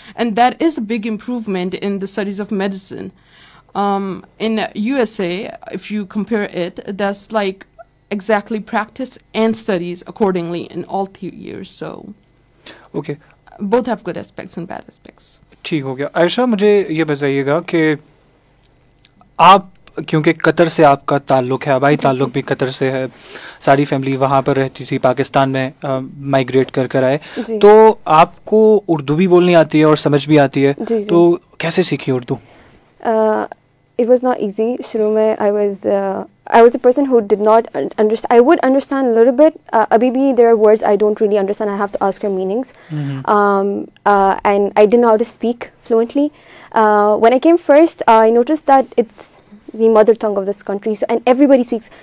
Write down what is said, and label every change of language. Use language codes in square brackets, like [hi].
[en] And that is a big improvement in the studies of medicine. In USA, if you compare it, that's like exactly practice and studies accordingly in all 3 years. So, okay. Both have good aspects and bad aspects. [hi] ठीक हो गया. आयशा, मुझे ये बताइएगा कि आप, क्योंकि Qatar से आपका ताल्लुक है, आबाई ताल्लुक भी कतर से है, सारी फैमिली वहाँ पर रहती थी, पाकिस्तान में माइग्रेट कर कर आए, तो आपको उर्दू भी बोलनी आती है और समझ भी आती है, तो कैसे सीखी Urdu? [en] It was not easy. [hi] शुरू में [en] I was a person who did not understand. I would understand a little bit. [hi] Abhi bhi [en] there are words I don't really understand. I have to ask her meanings. And I didn't know how to speak fluently. When I came first, I noticed that it's the mother tongue of this country. So, and everybody speaks.